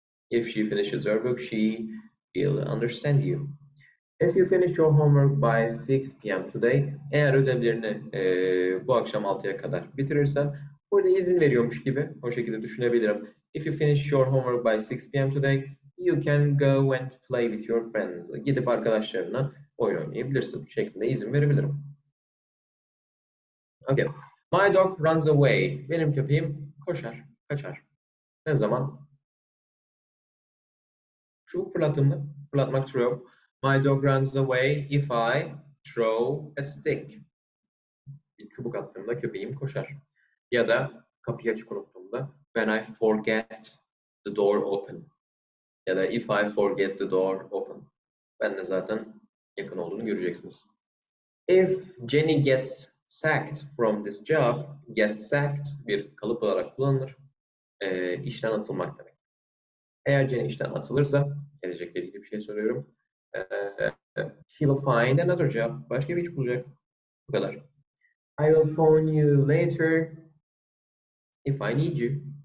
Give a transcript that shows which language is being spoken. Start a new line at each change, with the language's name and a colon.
English: If she finishes her book, she will understand you. If you finish your homework by 6 p.m. today,
Turkish: eğer ödevlerini bu akşam 6'ya kadar bitirirsen, burada izin veriyormuş gibi o şekilde düşünebilirim.
English: If you finish your homework by 6 p.m. today, you can go and play with your friends.
Turkish: Gidip arkadaşlarına oyun oynayabilirsin. Bu şekilde izin verebilirim. Okay.
English: My dog runs away.
Turkish: Benim köpeğim koşar, kaçar. Ne zaman? Şu fırlatımı, fırlatmak
English: true. My dog runs away if I throw a stick.
Turkish: Bir çubuk attığımda köpeğim koşar. Ya da kapıyı açık unuttuğumda
English: when I forget the door open.
Turkish: Ya da
English: if I forget the door open.
Turkish: Ben de zaten yakın olduğunu göreceksiniz.
English: If Jenny gets sacked from this job, get sacked
Turkish: bir kalıp olarak kullanılır. İşten atılmak demek. Eğer Jenny işten atılırsa, gelecekle ilgili bir şey soruyorum.
English: She will find another job.
Turkish: Başka bir iş bulacak. Bu kadar.
English: I will phone you later if I need you.